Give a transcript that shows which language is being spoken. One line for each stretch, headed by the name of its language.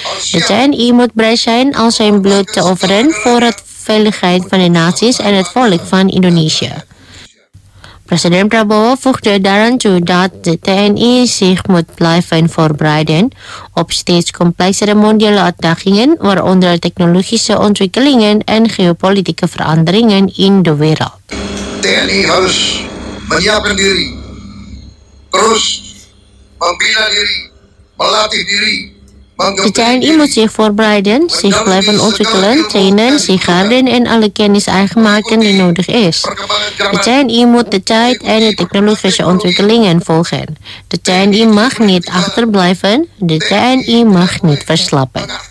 Dutch: De TNI moet bereid zijn om zijn bloed te offeren voor de veiligheid van de naties en het volk van Indonesië. President Prabowo voegde daaraan toe dat de TNI zich moet blijven voorbereiden op steeds complexere mondiale uitdagingen, waaronder technologische ontwikkelingen en geopolitieke veranderingen in de wereld.
Indonesian: TNI harus menyiapkan diri, terus membina diri, melatih diri.
Dutch: De TNI moet zich voorbereiden, zich blijven ontwikkelen, trainen, zich harden en alle kennis eigen maken die nodig is. De TNI moet de tijd en de technologische ontwikkelingen volgen. De TNI mag niet achterblijven, de TNI mag niet verslappen.